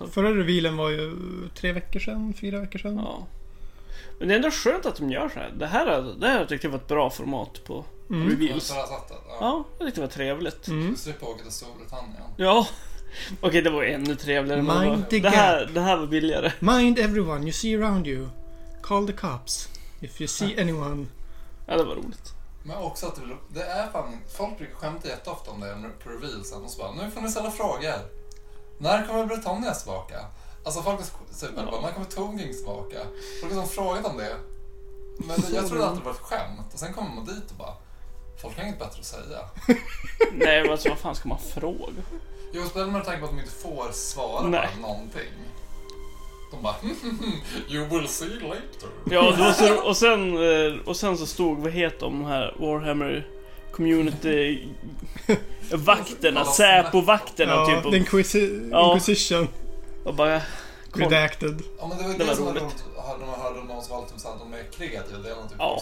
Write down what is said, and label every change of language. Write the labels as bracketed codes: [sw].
[sv] Förra revealen var ju 3 veckor sedan, 4 veckor sedan. Ja. Men det är ändå skönt att de gör så här. Det här tyckte jag var ett bra format på reveals. Mm. Sättet, ja. Ja, det tyckte jag var trevligt. Mm. Du ska slippa åka till Storbritannien. Ja, okej, det var ännu trevligare. [en] Mind the gap. [sv] Det här var billigare. [en] Mind everyone you see around you. Call the cops if you see anyone. [sv] Ja, det var roligt. Men också att det är fan, folk brukar skämta jätteofta om det på revealsen och så bara, nu får ni ställa frågor. När kommer Bretagne tillbaka? Alltså folk är super, bara, när kommer Tongue tillbaka? Folk har frågat om det. Men jag tror att det var ett skämt. Och sen kommer man dit och bara, folk har inget bättre att säga. Nej, men alltså, vad fan ska man fråga? Jo, spelar man tanke på att de inte får svara på någonting. De bara, [en] you will see later. [sv] Ja, så, och sen så stod, vad heter de här Warhammer community vakterna, Säpo-vakterna, ja, typ. [en] Inquisition. [sv] Ja. Och bara, kom. Redacted. Ja, men det var ju det som man hörde om någon som var typ, att de är kreativa delen, typ, ja.